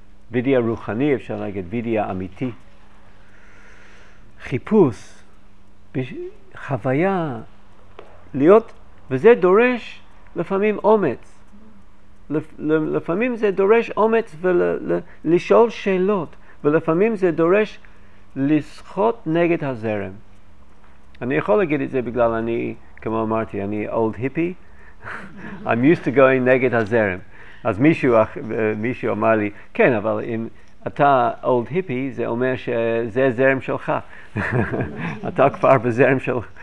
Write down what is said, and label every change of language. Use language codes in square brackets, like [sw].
[he] וידיה רוחני, אפשר להגיד, וידיה אמיתי. חיפוש, חוויה, להיות, וזה דורש לפעמים אומץ. לפעמים זה דורש אומץ ולשאול שאלות, ולפעמים זה דורש לשחות נגד הזרם. אני יכול להגיד את זה בגלל אני, כמו אמרתי, אני [en] old hippie. I'm used to going [he] נגד הזרם. אז מישהו אמר לי, כן, אבל אם אתה [en] old hippie, [he] זה אומר שזה זרם שלך. אתה כבר בזרם של...